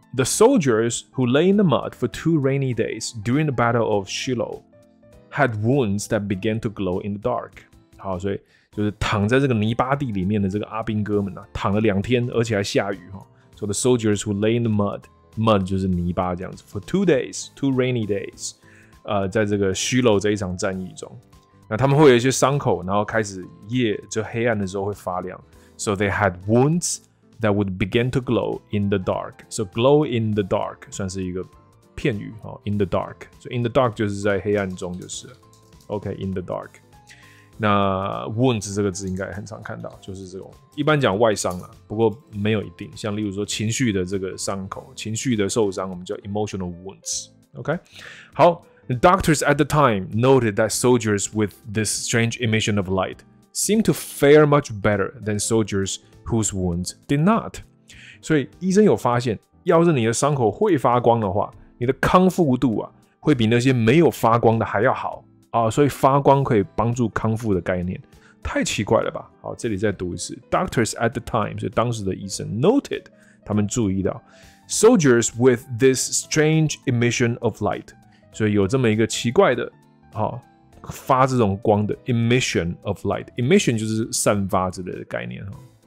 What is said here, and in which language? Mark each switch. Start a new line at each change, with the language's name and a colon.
English: The soldiers who lay in the mud for two rainy days during the Battle of Shiloh had wounds that began to glow in the dark。
Chinese: 好，所以就是躺在这个泥巴地里面的这个阿兵哥们啊，躺了两天，而且还下雨哈。
English: So the soldiers who lay in the mud。
Chinese: Mud 就是泥巴这样子 ，
English: for two rainy days，
Chinese: 在这个虚楼这一场战役中，那他们会有一些伤口，然后开始夜就黑暗的时候会发亮 ，
English: so they had wounds that would begin to glow in the dark， so glow in the dark
Chinese: 算是一个片语哦 ，in the dark， 所、so、以 in the dark 就是在黑暗中就是 ，
English: OK in the dark，
Chinese: 那 wounds 这个字应该很常看到，就是这种。一般讲外伤啊，不过没有一定。像例如说情绪的这个伤口、情绪的受伤，我们叫
English: emotional wounds。 OK，
Chinese: 好
English: ，doctors at the time noted that soldiers with this strange emission of light seemed to fare much better than soldiers whose wounds did not。
Chinese: 所以医生有发现，要是你的伤口会发光的话，你的康复度啊会比那些没有发光的还要好啊。所以发光可以帮助康复的概念。太奇怪了吧！好，这里再读一次 ：
English: Doctors at the time，
Chinese: 所以当时的医生 noted， 他们注意到
English: soldiers with this strange emission of light，
Chinese: 所以有这么一个奇怪的，好、哦、发这种光的
English: emission of light，
Chinese: emission 就是散发之类的概念哈。